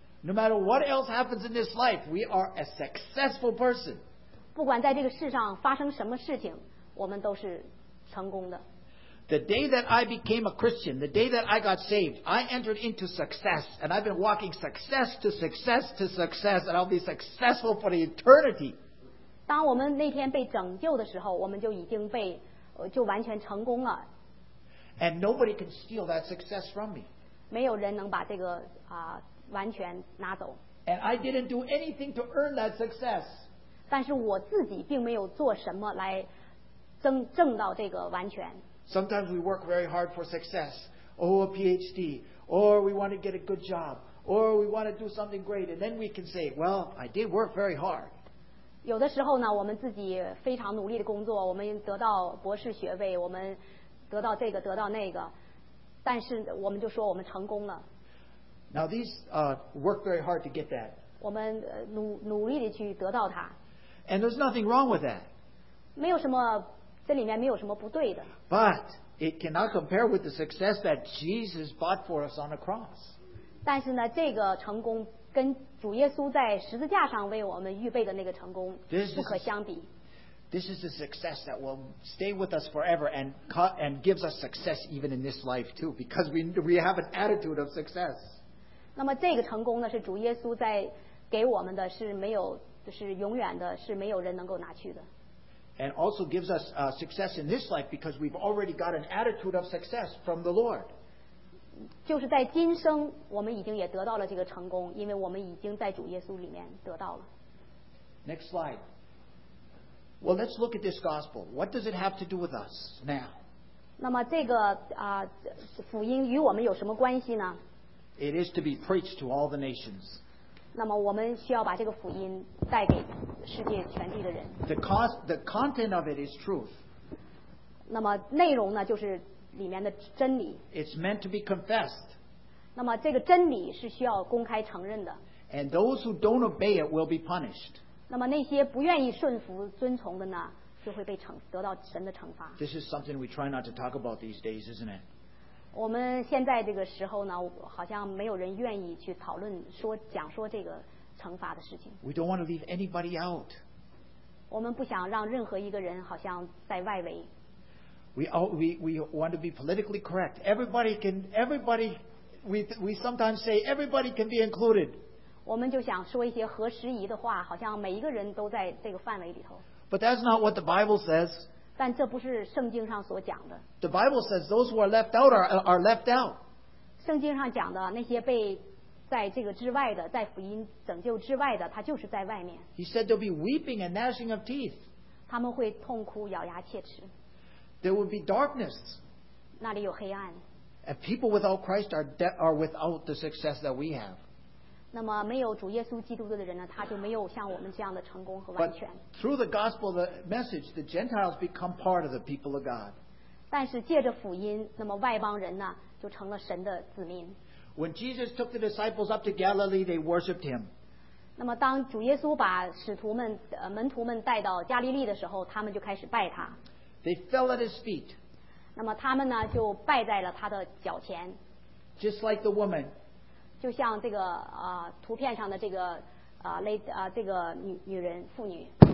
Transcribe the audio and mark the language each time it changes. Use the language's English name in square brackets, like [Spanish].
[English] No matter what else happens in this life, we are a successful person. [Chinese] 不管在这个世上发生什么事情，我们都是成功的。 [English] The day that I became a Christian, the day that I got saved, I entered into success, and I've been walking success to success to success, and I'll be successful for the eternity. [Chinese] 当我们那天被拯救的时候，我们就已经被就完全成功了。 [English] And nobody can steal that success from me. [Chinese] 没有人能把这个完全拿走。 [English] And I didn't do anything to earn that success. [Chinese] 但是我自己并没有做什么来挣到这个完全。 [English] Sometimes we work very hard for success, or a PhD, or we want to get a good job, or we want to do something great, and then we can say, well, I did work very hard. [Chinese] 有的时候呢，我们自己非常努力的工作，我们得到博士学位，我们得到这个，得到那个，但是我们就说我们成功了。 [English] Now these work very hard to get that. [Chinese] 我们努力的去得到它。 [English] And there's nothing wrong with that. [Chinese] 没有什么，这里面没有什么不对的。 [English] But it cannot compare with the success that Jesus bought for us on the cross. [Chinese] 但是呢，这个成功。跟主耶稣在十字架上为我们预备的那个成功不可相比。 [English] This is the success that will stay with us forever and gives us success even in this life too, because we have an attitude of success. [Chinese] 那么这个成功呢，是主耶稣在给我们的，是没有，是永远的，是没有人能够拿去的。 [English] And also gives us success in this life because we've already got an attitude of success from the Lord. [Chinese] 就是在今生我们已经也得到了这个成功，因为我们已经在主耶稣里面得到了。 [English] Next slide. Well, let's look at this gospel. What does it have to do with us now? [Chinese] 那么这个福音与我们有什么关系呢？ [English] It is to be preached to all the nations. [Chinese] 那么我们需要把这个福音带给世界全地的人。 [English] The content of it is truth. [Chinese] 那么内容呢，就是里面的真理。 [English] It's meant to be confessed. [Chinese] 那么这个真理是需要公开承认的。 [English] And those who don't obey it will be punished. [Chinese] 那么那些不愿意顺服遵从的呢，就会被惩得到神的惩罚。 [English] This is something we try not to talk about these days, isn't it? [Chinese] 我们现在这个时候呢，好像没有人愿意去讨论说讲说这个惩罚的事情。 [English] We don't want to leave anybody out. [Chinese] 我们不想让任何一个人好像在外围。 [English] We want to be politically correct. We sometimes say everybody can be included. [Chinese] 我们就想说一些合时宜的话，好像每一个人都在这个范围里头。 [English] But that's not what the Bible says. [Chinese] 但这不是圣经上所讲的。 [English] The Bible says those who are left out are left out. [Chinese] 圣经上讲的那些被在这个之外的，在福音拯救之外的，他就是在外面。 [English] He said there'll be weeping and gnashing of teeth. [Chinese] 他们会痛哭，咬牙切齿。 [English] There will be darkness. [Chinese] 那里有黑暗。 [English] And people without Christ are without the success that we have. [Chinese] 那么没有主耶稣基督的人呢，他就没有像我们这样的成功和完全。 [English] But through the gospel, the message, the Gentiles become part of the people of God. [Chinese] 但是借着福音，那么外邦人呢，就成了神的子民。 [English] When Jesus took the disciples up to Galilee, they worshipped him. [Chinese] 那么当主耶稣把使徒们、门徒们带到加利利的时候，他们就开始拜他。 [English] They fell at his feet. [Chinese] 那么他们呢就拜在了他的脚前。 [English] Just like the woman. [Chinese] 就像这个图片上的这个这个女人妇女。